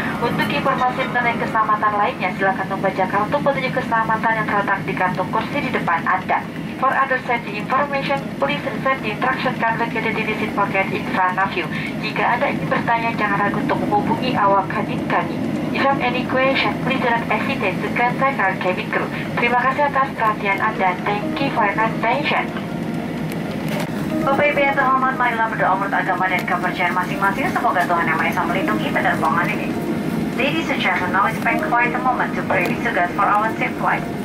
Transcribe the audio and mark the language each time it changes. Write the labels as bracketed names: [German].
[Indonesian] Untuk informasi mengenai keselamatan lainnya, silakan membaca kartu petunjuk keselamatan yang terletak di kantung kursi di depan Anda. [English] For other safety information, please refer the instruction card located in the seat pocket in front of you. [Indonesian] Jika Anda ingin bertanya, jangan ragu untuk menghubungi awak kabin kami. [English] If you have any question, please don't hesitate to contact our cabin crew. [Indonesian] Terima kasih atas perhatian Anda. [English] Thank you for your attention. [Indonesian] Bapak Ibu yang terhormat, marilah berdoa menurut agama dan kepercayaan masing-masing. Semoga Tuhan Yang Maha Esa melindungi penerbangan ini. [English] Ladies and gentlemen, now it's been quite a moment to pray to God for our safe flight.